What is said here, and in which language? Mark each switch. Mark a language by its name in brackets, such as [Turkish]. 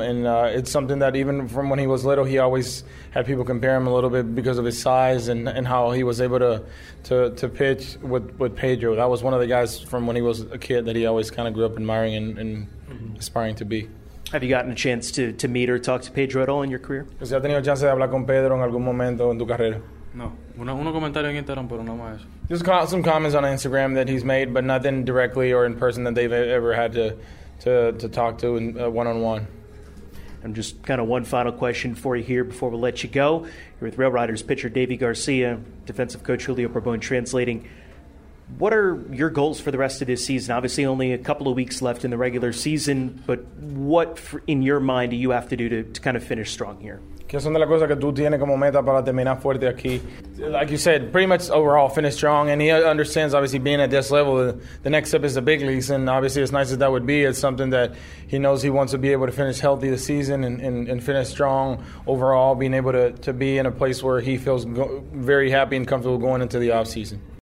[English] And it's something that even from when he was little, he always had people compare him a little bit because of his size and how he was able to pitch with Pedro. That was one of the guys from when he was a kid that he always kind of grew up admiring and aspiring to be. Have you gotten a chance to meet or talk to Pedro at all in your career? [Spanish] ¿Has tenido chance de hablar con Pedro en algún momento en tu carrera? No. Uno comentario en Instagram, pero no más. [English] Just some comments on Instagram that he's made, but nothing directly or in person that they've ever had to talk to in one-on-one. And just kind of one final question for you here before we let you go. You're with Rail Riders pitcher Davey Garcia, defensive coach Julio Perbon translating. What are your goals for the rest of this season? Obviously, only a couple of weeks left in the regular season, but what, in your mind, do you have to do to kind of finish strong here? [Spanish] ¿Qué son de las cosas que tú tienes como meta para terminar fuerte aquí? [English] Like you said, pretty much overall, finish strong. And he understands, obviously, being at this level, the next step is the big leagues. And obviously, as nice as that would be, it's something that he knows he wants to be able to finish healthy this season and finish strong overall, being able to be in a place where he feels very happy and comfortable going into the offseason.